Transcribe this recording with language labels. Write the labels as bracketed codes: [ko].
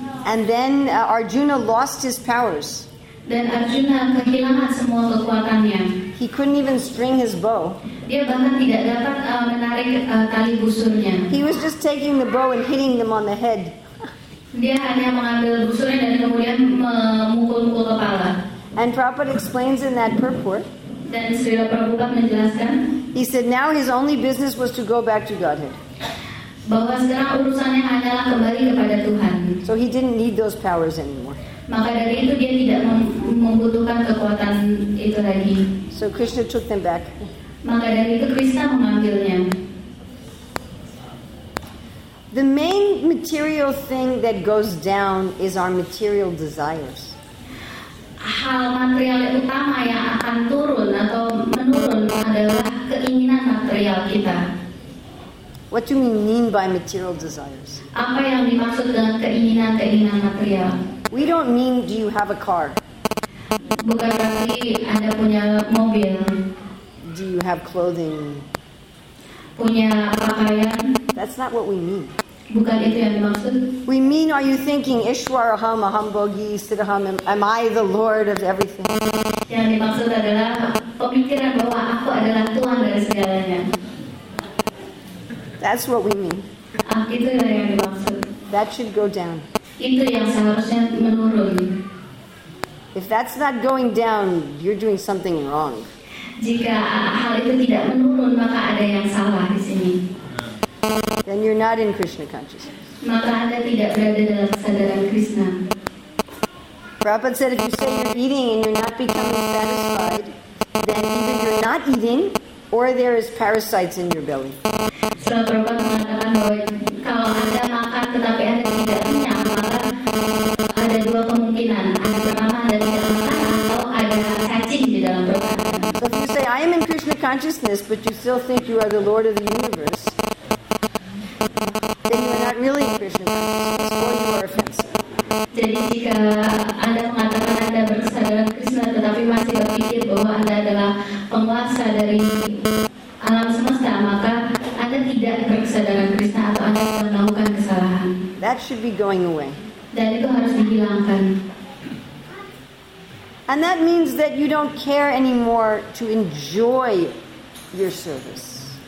[en] And then Arjuna lost his powers. [id] Dan Arjuna kehilangan semua kekuatannya. [en] He couldn't even string his bow. [id] Dia bahkan tidak dapat menarik tali busurnya. [en] He was just taking the bow and hitting them on the head. [id] Dia hanya mengambil busurnya dan kemudian memukul-mukul kepala. [en] And Prabhupada explains in that purport. [id] Dan Srila Prabhupada menjelaskan. [en] He said now his only business was to go back to Godhead. [id] Bahwa sekarang urusannya hanyalah kembali kepada Tuhan. [en] So he didn't need those powers anymore. [id] Maka dari itu dia tidak membutuhkan kekuatan itu lagi. [en] So Krishna took them back. [id] Maka dari itu Krishna mengambilnya. [en] The main material thing that goes down is our material desires. [id] Hal material utama yang akan turun atau menurun adalah keinginan material kita. [en] What do you mean by material desires? [id] Apa yang dimaksud dengan keinginan-keinginan material? [en] We don't mean do you have a car? [id] Bukan berarti Anda punya mobil. [en] Do you have clothing? [id] Punya pakaian? [en] That's not what we mean. [id] Bukan itu yang dimaksud. [en] We mean, are you thinking [sa] Ishwaraham, Ahambogi, Siddham? [en] Am I the Lord of everything? [id] Yang dimaksud adalah pemikiran bahwa aku adalah Tuhan dari segalanya. [en] That's what we mean. [id] Itu yang dimaksud. [en] That should go down. [id] Itu yang seharusnya menurun. [en] If that's not going down, you're doing something wrong. [id] Jika hal itu tidak menurun, maka ada yang salah di sini. [en] Then you're not in Krishna consciousness. [id] Maka Anda tidak berada dalam kesadaran Krishna. [en] Prabhupada said, if you say you're eating and you're not becoming satisfied, then either you're not eating or there is parasites in your belly. [id] So Prabhupada mengatakan bahwa kalau Anda makan tetapi Anda tidak kenyang, maka ada dua kemungkinan. Yang pertama, Anda tidak makan atau ada cacing di dalam perut. [en] So if you say, I am in Krishna consciousness, but you still think you are the Lord of the universe, then you are not really in Krishna consciousness, or you are offensive. [id] Jadi jika Anda mengatakan Anda berkesadaran Krishna tetapi masih adalah penguasa dari alam semesta, maka Anda tidak terpisah dengan Krishna atau Anda melakukan kesalahan. [en] That should be going away. [id] Dan itu harus dihilangkan. [en] And that means that you don't care anymore to enjoy your service.